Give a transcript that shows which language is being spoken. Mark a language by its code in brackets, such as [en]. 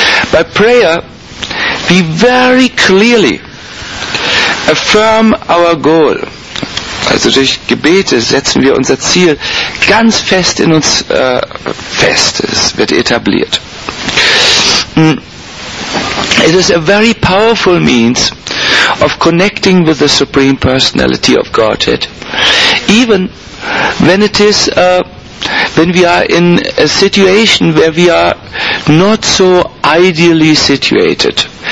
[en] By prayer, we very clearly affirm our goal. [de] Also durch Gebete setzen wir unser Ziel ganz fest in uns fest. Es wird etabliert. [en] It is a very powerful means of connecting with the Supreme Personality of Godhead. Even when it is when we are in a situation where we are not so ideally situated.